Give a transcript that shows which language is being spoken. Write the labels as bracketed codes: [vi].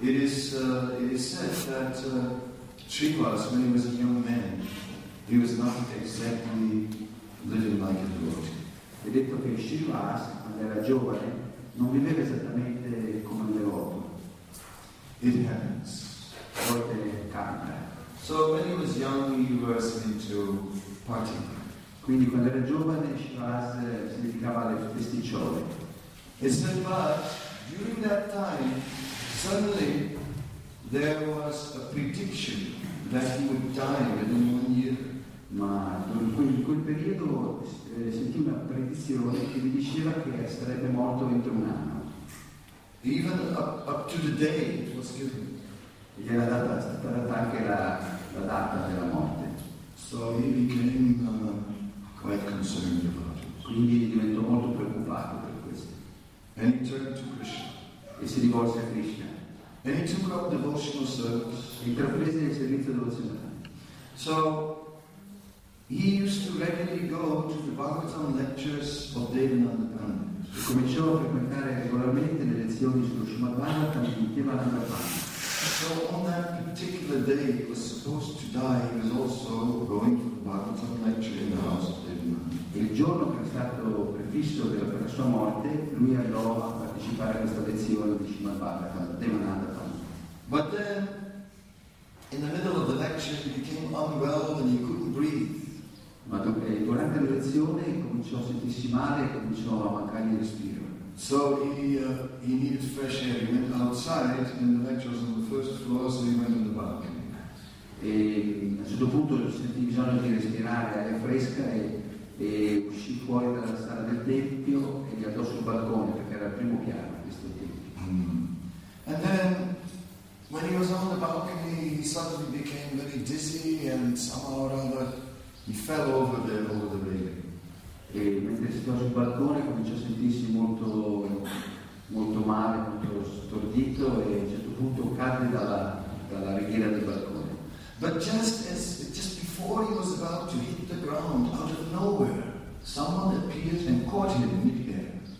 [en] It is said that Srinivas, when he was a young man, he was not exactly living like a devotee. [it] È detto che Srinivas, quando era giovane, non viveva esattamente come un devoto. [en] It happens. [it] Forte capita. [en] So when he was young, he was into partying. [it] Quindi quando era giovane, Srinivas si dedicava alle festicciole. [en] He said, but during that time, suddenly there was a prediction that he would die within 1 year. [it] Ma in quel periodo sentì una predizione che gli diceva che sarebbe morto entro un anno. [en] Even up to the day it was given. [it] Gli era data anche la data della morte. [en] So he became quite concerned about it. [it] Quindi diventò molto preoccupato per questo. [en] And he turned to Krishna. [it] E si rivolse a Krishna. [en] And he took up devotional service. [it] Intraprese il servizio devozionale. [en] So he used to regularly go to the Bhagavatam lectures of Devananda Pandit. [it] Cominciò a frequentare regolarmente le lezioni sullo Srimad Bhagavatam di Devananda Pandit. [en] So on that particular day he was supposed to die, he was also going to the Bhagavatam lecture in the house of Devananda. [it] Il giorno che è stato prefisso per la sua morte, lui andò a partecipare a questa lezione di Srimad Bhagavatam, Devananda Pandit. [en] But then, in the middle of the lecture, he became unwell and he couldn't breathe. [it] Ma durante la lezione cominciò a sentirsi male e cominciò a mancare il respiro. [en] So he needed fresh air. He went outside and the lecture was on the first floor, so he went in the balcony. [it] E a un certo punto sentì bisogno di respirare aria fresca e uscì fuori dalla sala del tempio e gli andò sul balcone perché era il primo piano questo tempio. [en] And then when he was on the balcony, he suddenly became very dizzy and somehow or other he fell over the railing. [it] E mentre stava sul balcone cominciò a sentirsi molto molto male, molto stordito e a un certo punto cadde dalla ringhiera del balcone. [en] But just before he was about to hit the ground, out of nowhere, someone appeared and caught him in midair.